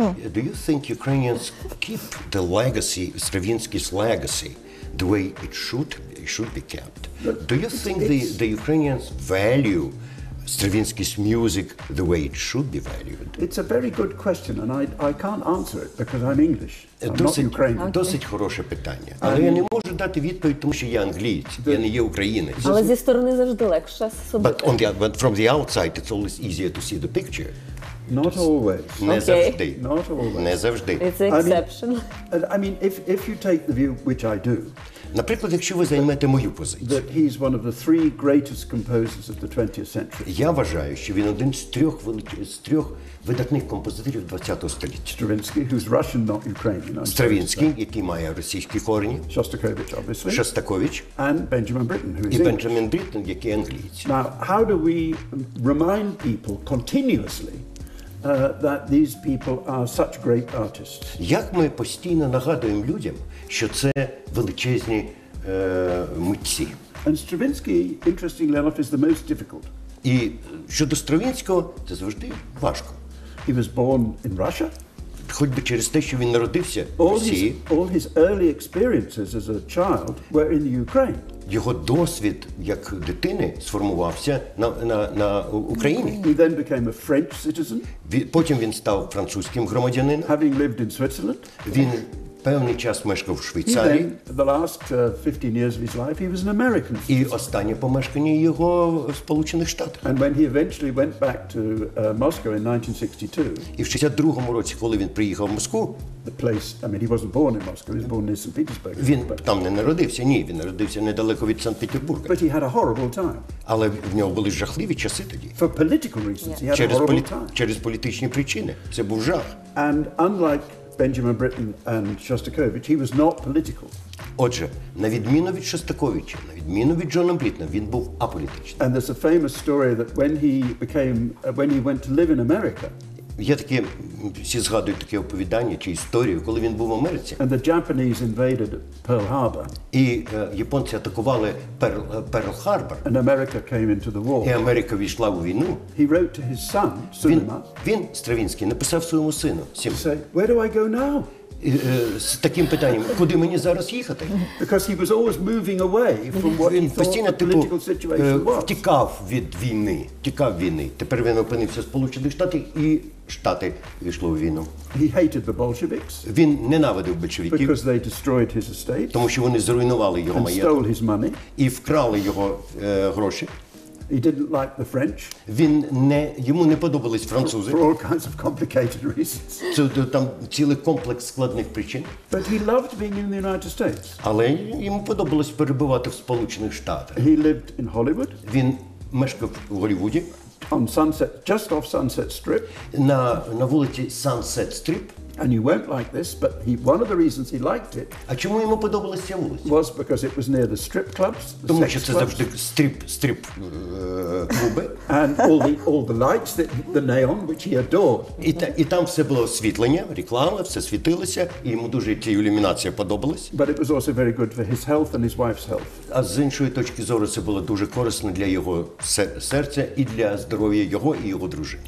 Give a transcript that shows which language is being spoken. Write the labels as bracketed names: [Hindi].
[English] Do you think Ukrainians keep the legacy, Stravinsky's legacy, the way it should be kept? But do you think the Ukrainians value Stravinsky's music the way it should be valued? It's a very good question and I can't answer it because I'm English. [Ukrainian] Досить хороше питання. Але я не можу дати відповідь, тому що я англієць, я не є українець. Але зі сторони завжди легше судити. [English] But from the outside it's always easier to see the picture. Not always. [Ukrainian] Не завжди. [English] Not always. [Ukrainian] Не завжди. [English] It's an exception. I mean if you take the view which I do. [Ukrainian] Наприклад, якщо ви займете мою позицію. [English] That he's one of the three greatest composers of the 20th century. [Ukrainian] Я вважаю, що він один з трьох видатних композиторів 20-го століття. [English] Stravinsky, who's Russian, not Ukrainian. [Ukrainian] Stravinsky, який має російські корені. [English] Shostakovich, obviously. [Ukrainian] Шостакович. [English] And Benjamin Britten, who is English. [Ukrainian] І Бенджамін Бріттен, який англієць. [English] Now, how do we remind people continuously that these people are such great artists? [Ukrainian] Як ми постійно нагадуємо людям, що це величезні митці? [English] And Stravinsky, interestingly enough, is the most difficult. [Ukrainian] І щодо Стравінського, це завжди важко. [English] He was born in Russia. [Ukrainian] Хоч би через те, що він народився в Росії. [English] All his early experiences as a child were in the Ukraine. [Ukrainian] Його досвід як дитини сформувався на Україні. [English] He then became a French citizen. [Ukrainian] Потім він став французьким громадянином. [English] Having lived in Switzerland. [Ukrainian] Він певний час мешкав в Швейцарії. [English] Then, the last 15 years of his life he was an American. [Ukrainian] І останнє помешкання його в Сполучених Штатах. [English] And when he eventually went back to Moscow in 1962. [Ukrainian] І в 62-му році, коли він приїхав в Москву. [English] The place, I mean, he wasn't born in Moscow, he was born near St. Petersburg. [Ukrainian] Він там не народився, ні, він народився недалеко від Санкт-Петербурга. [English] But he had a horrible time. [Ukrainian] Але в нього були жахливі часи тоді. [English] For political reasons, yeah. He had a horrible time. [Ukrainian] Через політичні причини. Це був жах. [English] And unlike Benjamin Britten and Shostakovich, he was not political. [Ukrainian] Отже, на відміну від Шостаковича, на відміну від Джона Бріттена, він був аполітичний. [English] And there's a famous story that when he went to live in America, [Ukrainian] Є таке, всі згадують таке оповідання чи історію, коли він був в Америці. [English] And the Japanese invaded Pearl Harbor. [Ukrainian] І японці атакували Перл-Харбор. [English] And America came into the war. [Ukrainian] І Америка війшла у війну. [English] He wrote to his son, Сулейман. [Ukrainian] Він, Стравінський, написав своєму сину, Сім. [English] Say, where do I go now? [Ukrainian] З таким питанням, куди мені зараз їхати? [English] Because he was always moving away from what [Ukrainian] він [English] he thought [Ukrainian] постійно, [English] the political situation was. [Ukrainian] Втікав від війни, втікав війни. Тепер він опинився в Сполучених Штатах, і Штати війшли у війну. [English] He hated the Bolsheviks. [Ukrainian] Він ненавидив большевиків. [English] Because they destroyed his estate. [Ukrainian] Тому що вони зруйнували його маєток. [English] And stole his money. [Ukrainian] І вкрали його гроші. [English] He didn't like the French. [Ukrainian] Він не, йому не подобались французи. [English] For all kinds of complicated reasons. [Ukrainian] Це там цілий комплекс складних причин. [English] But he loved being in the United States. [Ukrainian] Але йому подобалось перебувати в Сполучених Штатах. [English] He lived in Hollywood. [Ukrainian] Він мешкав в Голлівуді. [English] On Sunset, just off Sunset Strip. [Ukrainian] На вулиці Sunset Strip. [English] And he won't like this, but he, one of the reasons he liked it. [Ukrainian] А чому йому подобалась ця вулиця? [English] Was because it was near the strip clubs. [Ukrainian] Тому що це завжди стрип клуби. [English] And all the lights that the neon which he adored. [Ukrainian] І там все було освітлення, реклама, все світилося, і йому дуже ця ілюмінація подобалась. [English] But it was also very good for his health and his wife's health. [Ukrainian] А з іншої точки зору це було дуже корисно для його серця і для здоров'я його і його дружини.